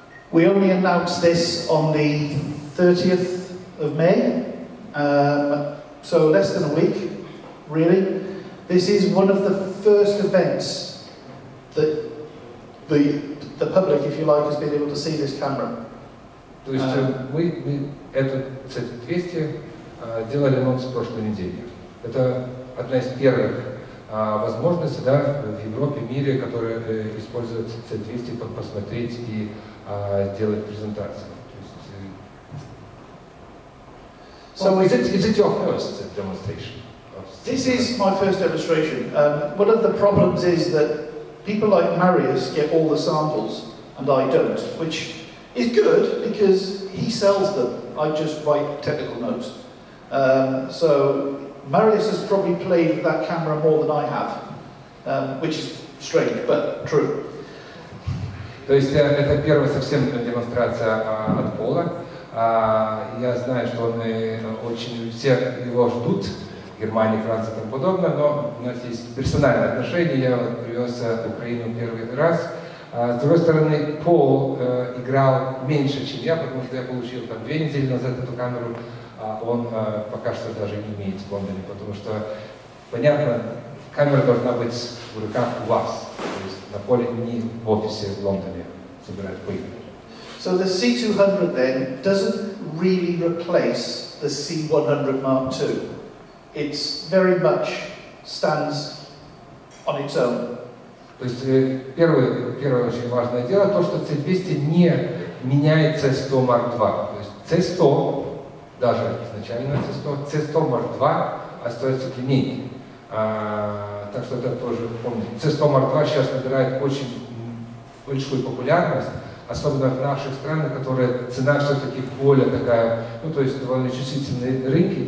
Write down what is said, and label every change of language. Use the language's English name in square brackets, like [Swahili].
[English] We only announced this on the 30th of May, so less than a week, really. This is one of the first events that the public, if you like, has been able to see this camera. [Russian] То есть мы это 200 делали анонс в прошлой неделе. Это одна из первых возможностей, да, в Европе, мире, которые используют C200 посмотреть и делать презентацию. [English] So is it your first demonstration? This is my first demonstration. One of the problems is that people like Marius get all the samples and I don't, which is good because he sells them. I just write technical notes. So Marius has probably played with that camera more than I have, which is strange but true. [Russian] То есть это первая совсем демонстрация от Пола. Я знаю, что он очень все его ждут, Германия, Франция и тому подобное, но у нас есть персональные отношения. Я привез в Украину первый раз. С другой стороны, Пол играл меньше, чем я, потому что я получил там 2 недели назад эту камеру. Он пока что даже не имеет в Лондоне, потому что, понятно, камера должна быть в руках у вас, то есть на поле, не в офисе в Лондоне собирать пыль. [English] So the C200 then doesn't really replace the C100 Mark II. It very much stands on its own. [Russian] То есть первое очень важное дело то, что C200 не меняет C100 Mark II. То есть C100, даже изначально C100, C100 Mark II остается в линейке. Так что это тоже помните. C100 Mark II сейчас набирает очень большую популярность, особенно в наших странах, которые цена все-таки более такая, ну то есть довольно чувствительные рынки.